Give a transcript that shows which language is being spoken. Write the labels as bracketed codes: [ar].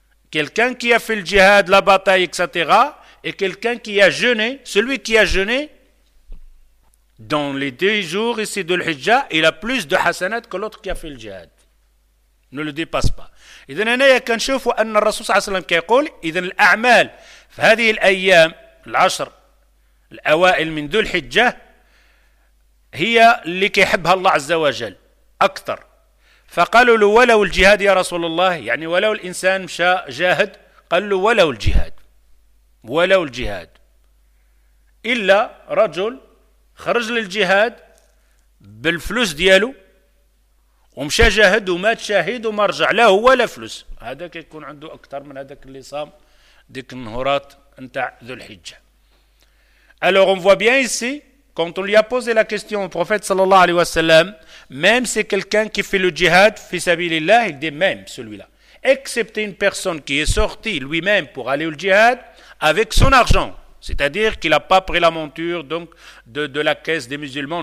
[fr] Quelqu'un qui a fait le djihad, la bataille, etc., et quelqu'un qui a jeûné, celui qui a jeûné, dans les 10 jours ici de l'Hijjah, il a plus de hasanat que l'autre qui a fait le djihad. Ne le dépasse pas. Et donc, il y a qu'un chef, où le Rasoul sallallahu alayhi wa sallam qui dit, l'a'mal, dans ces ayam, l'ashr, l'awa'il min de l'Hijjah, [ar] هي اللي كيحبها الله عز وجل أكثر. فقالوا له: ولو الجهاد يا رسول الله، يعني ولو الإنسان مشى جاهد. قال له: ولو الجهاد، ولو الجهاد، إلا رجل خرج للجهاد بالفلوس دياله ومشى جاهد ومات شاهد وما رجع له ولا فلوس، هذا كيكون عنده أكثر من هذاك اللي صام ديك النهورات نتاع ذو الحجة. [fr] Alors on voit bien ici, quand on lui a posé la question au prophète sallallahu alayhi wa sallam, même c'est quelqu'un qui fait le djihad fi sabilillah, il dit même celui-là. Excepté une personne qui est sortie lui-même pour aller au djihad avec son argent. C'est-à-dire qu'il n'a pas pris la monture donc, de la caisse des musulmans.